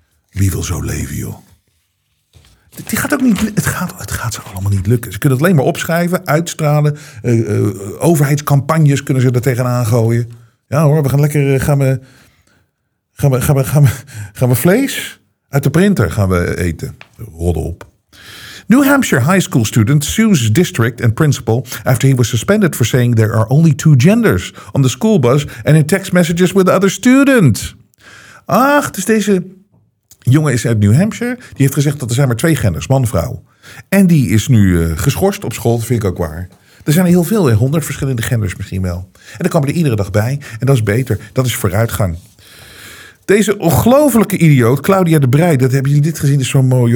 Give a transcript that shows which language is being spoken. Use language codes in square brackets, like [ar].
[nl] Wie wil zo leven, joh? Die gaat ook niet, het gaat ze allemaal niet lukken. Ze kunnen het alleen maar opschrijven, uitstralen. Overheidscampagnes kunnen ze er tegenaan gooien. Ja hoor, we gaan lekker... Gaan we vlees uit de printer gaan we eten. Roddel op. [en] New Hampshire high school student sues district and principal after he was suspended for saying there are only two genders on the school bus and in text messages with other students. [nl] Ach, dus deze jongen is uit New Hampshire. Die heeft gezegd dat er zijn maar twee genders, man en vrouw. En die is nu geschorst op school, dat vind ik ook waar. Er zijn er heel veel, 100 verschillende genders misschien wel. En dan komen er iedere dag bij en dat is beter, dat is vooruitgang. Deze ongelofelijke idioot, Claudia de Breij, dat hebben jullie dit gezien, is zo mooi.